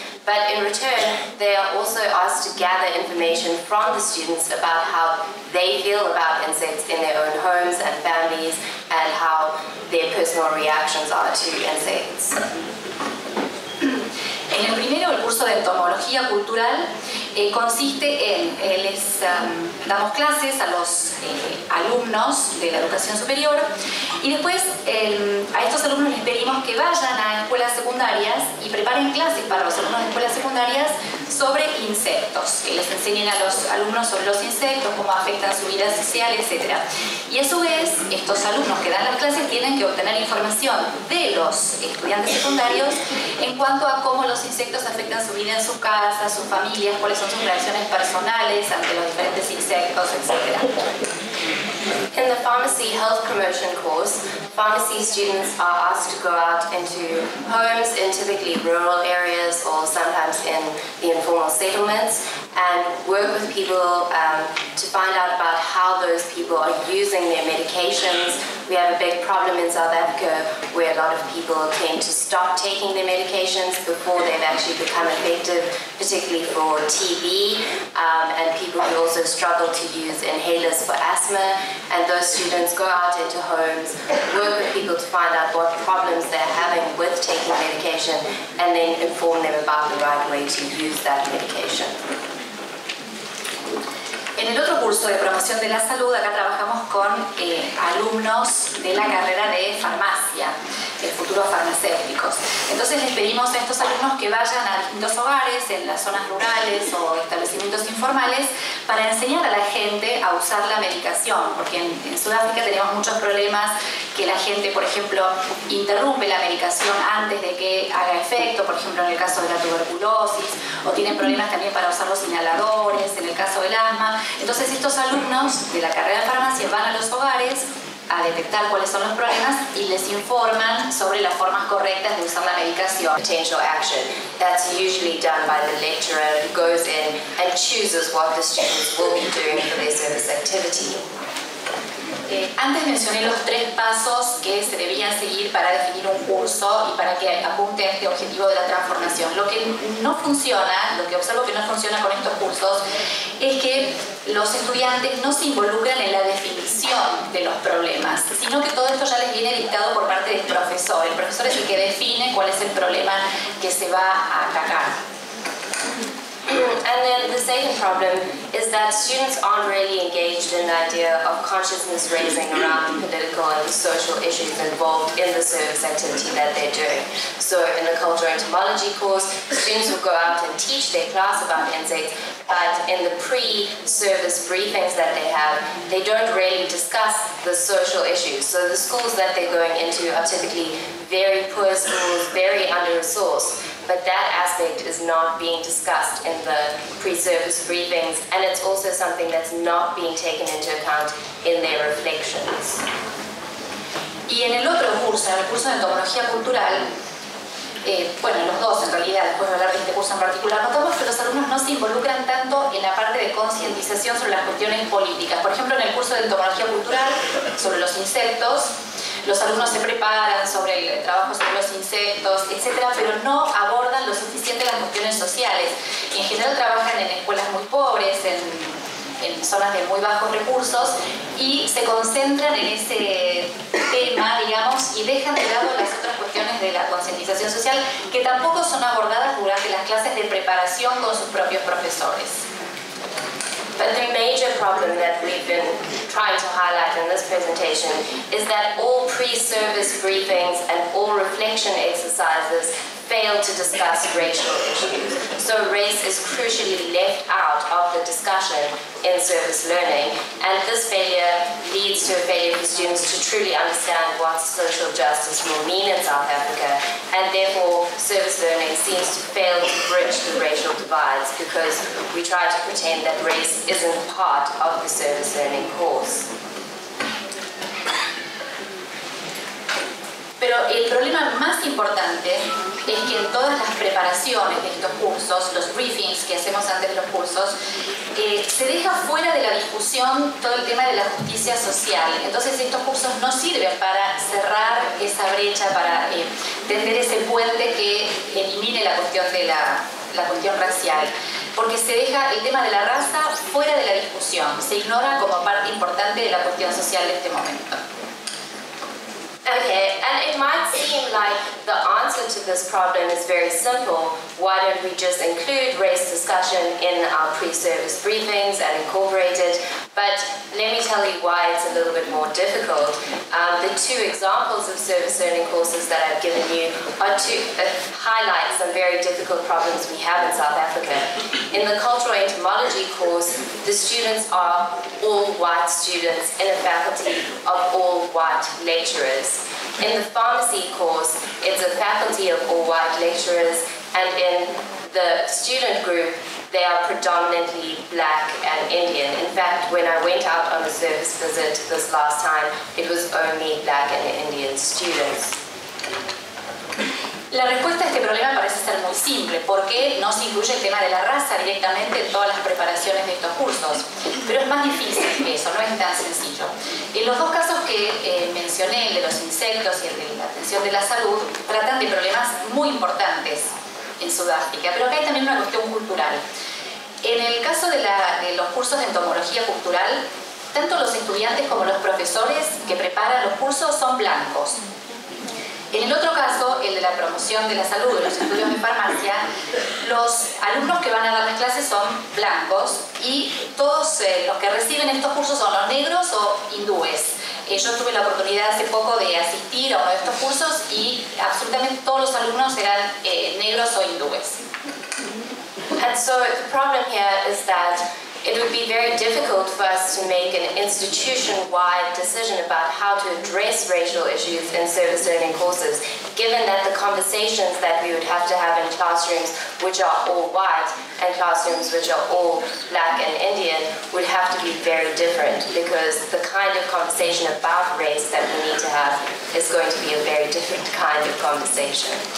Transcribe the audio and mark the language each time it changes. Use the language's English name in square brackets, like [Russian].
[English] But in return, they are also asked to gather information from the students about how they feel about insects in their own homes and families, and how their personal reactions are to insects. [Spanish] En el primero, el curso de entomología cultural consiste en, damos clases a los alumnos de la educación superior y después a estos alumnos les pedimos que vayan a escuelas secundarias y preparen clases para los alumnos de escuelas secundarias sobre insectos, que les enseñen a los alumnos sobre los insectos, cómo afectan su vida social, etc. Y a su vez, estos alumnos que dan las clases tienen que obtener información de los estudiantes secundarios en cuanto a cómo los insectos afectan su vida en su casa, sus familias, cuáles son sus reacciones personales ante los diferentes insectos, etc. [English] In the pharmacy health promotion course, pharmacy students are asked to go out into homes in typically rural areas or sometimes in the informal settlements and work with people to find out about how those people are using their medications. We have a big problem in South Africa where a lot of people tend to stop taking their medications before they've actually become effective, particularly for TB, and people who also struggle to use inhalers for asthma. And those students go out into homes, work with people to find out what problems they're having with taking medication, and then inform them about the right way to use that medication. [Spanish] En el otro curso de promoción de la salud, acá trabajamos con alumnos de la carrera de farmacia, de futuros farmacéuticos. Entonces les pedimos a estos alumnos que vayan a distintos hogares, en las zonas rurales o establecimientos informales, para enseñar a la gente a usar la medicación. Porque en Sudáfrica tenemos muchos problemas que la gente, por ejemplo, interrumpe la medicación antes de que haga efecto, por ejemplo, en el caso de la tuberculosis, o tienen problemas también para usar los inhaladores, en el caso del asma. Entonces estos alumnos de la carrera de farmacia van a los hogares a detectar cuáles son los problemas y les informan sobre las formas correctas de usar la medicación. [English] Potential action that's usually done by the lecturer who goes in and chooses what the students will be doing for their service activity. [Spanish] Antes mencioné los tres pasos que se debían seguir para definir un curso y para que apunte a este objetivo de la transformación. Lo que no funciona, lo que observo que no funciona con estos cursos, es que los estudiantes no se involucran en la definición de los problemas, sino que todo esto ya les viene dictado por parte del profesor. El profesor es el que define cuál es el problema que se va a atacar. [English] And then the second problem is that students aren't really engaged in the idea of consciousness raising around the political and social issues involved in the service activity that they're doing. So in the cultural entomology course, students will go out and teach their class about insects, but in the pre-service briefings that they have, they don't really discuss the social issues. So the schools that they're going into are typically very poor schools, very under-resourced. But that aspect is not being discussed in the pre-service briefings, and it's also something that's not being taken into account in their reflections. [Spanish] Y en el otro curso, en el curso de entomología cultural, bueno, los dos en realidad, después de hablar de este curso en particular, notamos que los alumnos no se involucran tanto en la parte de concientización sobre las cuestiones políticas. Por ejemplo, en el curso de entomología cultural sobre los insectos, los alumnos se preparan sobre el trabajo sobre los insectos, etcétera, pero no abordan lo suficiente las cuestiones sociales. Y en general trabajan en escuelas muy pobres, en zonas de muy bajos recursos, y se concentran en ese tema, digamos, y dejan de lado las otras cuestiones de la concientización social, que tampoco son abordadas durante las clases de preparación con sus propios profesores. [English] But the major problem that we've been trying to highlight in this presentation is that all pre-service briefings and all reflection exercises fail to discuss racial issues. So race is crucially left out of the discussion in service learning, and this failure leads to a failure for students to truly understand what social justice will mean in South Africa, and therefore service learning seems to fail to bridge the racial divides because we try to pretend that race isn't part of the service learning course. [Spanish] Pero el problema más importante es que en todas las preparaciones de estos cursos, los briefings que hacemos antes de los cursos, se deja fuera de la discusión todo el tema de la justicia social. Entonces estos cursos no sirven para cerrar esa brecha, para tender ese puente que elimine la cuestión de la cuestión racial. Porque se deja el tema de la raza fuera de la discusión, se ignora como parte importante de la cuestión social de este momento. [English] Okay, and it might seem like the answer to this problem is very simple. Why don't we just include race discussion in our pre-service briefings and incorporate it? But let me tell you why it's a little bit more difficult. The two examples of service learning courses that I've given you are to highlight some very difficult problems we have in South Africa. In the cultural entomology course, the students are all white students in a faculty of all white lecturers. In the pharmacy course, it's a faculty of all white lecturers, and in the student group, they are predominantly black and Indian. In fact, when I went out on a service visit this last time, it was only black and Indian students. [Spanish] La respuesta a este problema parece ser muy simple. ¿Por qué no se incluye el tema de la raza directamente en todas las preparaciones de estos cursos? Pero es más difícil que eso, no es tan sencillo. En los dos casos que mencioné, el de los insectos y el de la atención de la salud, tratan de problemas muy importantes en Sudáfrica. Pero acá hay también una cuestión cultural. En el caso de los cursos de entomología cultural, tanto los estudiantes como los profesores que preparan los cursos son blancos. En el otro caso, el de la promoción de la salud, los estudios de farmacia, los alumnos que van a dar las clases son blancos y todos los que reciben estos cursos son los negros o hindúes. Yo tuve la oportunidad hace poco de asistir a uno de estos cursos y absolutamente todos los alumnos eran negros o hindúes. [English] And so the problem here is that it would be very difficult for us to make an institution-wide decision about how to address racial issues in service learning courses, given that the conversations that we would have to have in classrooms which are all white and classrooms which are all black and Indian would have to be very different, because the kind of conversation about race that we need to have is going to be a very different kind of conversation.